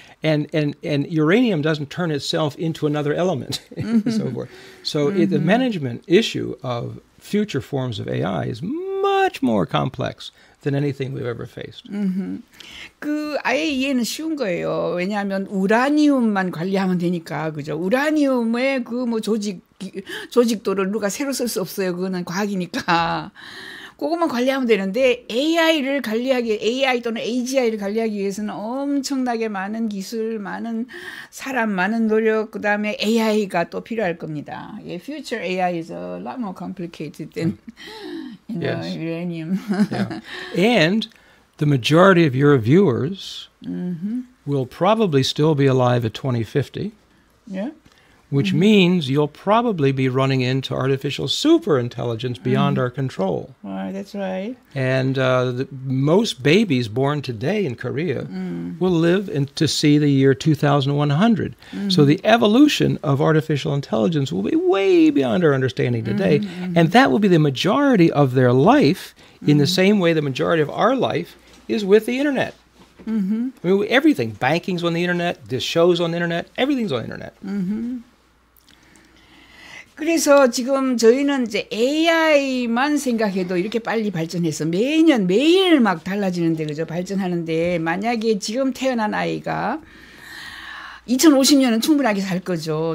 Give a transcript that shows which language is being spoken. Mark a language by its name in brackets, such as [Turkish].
[English] And uranium doesn't turn itself into another element and so forth. So the management issue of future forms of AI is much more complex than anything we've ever faced. [Korean] 그 아예 이해는 쉬운 거예요. 왜냐하면 우라늄만 관리하면 되니까 그죠. 우라늄의 그 뭐 조직도를 누가 새로 쓸 수 없어요. 그거는 과학이니까. 그것만 관리하면 되는데 AI를 관리하기 AI 또는 AGI를 관리하기 위해서는 엄청나게 많은 기술, 많은 사람, 많은 노력, 그 다음에 AI가 또 필요할 겁니다. [English] Yeah, future AI is a lot more complicated than you know, yes. uranium. yeah. And the majority of your viewers will probably still be alive at 2050. Yeah. Which means you'll probably be running into artificial superintelligence beyond our control. Right, that's right. And most babies born today in Korea will live to see the year 2100. So the evolution of artificial intelligence will be way beyond our understanding today. And that will be the majority of their life in the same way the majority of our life is with the internet. I mean, everything, banking's on the internet, this show's on the internet, everything's on the internet. [Korean] 그래서 지금 저희는 이제 AI만 생각해도 이렇게 빨리 발전해서 매년 매일 막 달라지는데 그죠 발전하는데 만약에 지금 태어난 아이가 2050년은 충분하게 살 거죠.